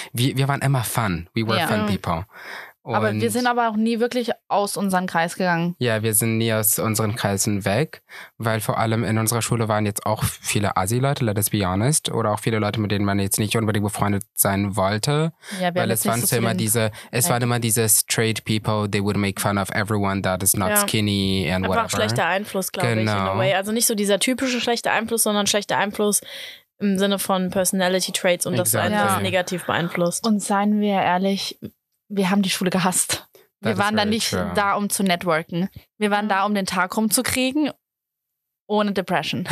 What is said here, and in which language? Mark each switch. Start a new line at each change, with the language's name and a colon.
German: Wir waren immer fun.
English: We were fun people.
German: Und aber wir sind aber auch nie wirklich aus unserem Kreis gegangen. Ja, wir sind nie aus unseren Kreisen weg, weil vor allem in unserer Schule waren jetzt auch viele Assi-Leute,
English: let us be honest,
German: oder auch viele Leute, mit denen man jetzt nicht unbedingt befreundet sein wollte. Ja, weil es waren so immer diese, es waren immer diese
English: straight people, they would make fun of everyone that is not skinny and
German: einfach
English: whatever.
German: Einfach schlechter Einfluss, glaube ich,
English: in a way.
German: Also nicht so dieser typische schlechte Einfluss, sondern schlechter Einfluss im Sinne von Personality Traits und das einfach negativ beeinflusst. Und seien wir ehrlich, wir haben die Schule gehasst. Wir waren da nicht da, um zu networken. Wir waren da, um den Tag rumzukriegen, ohne Depression.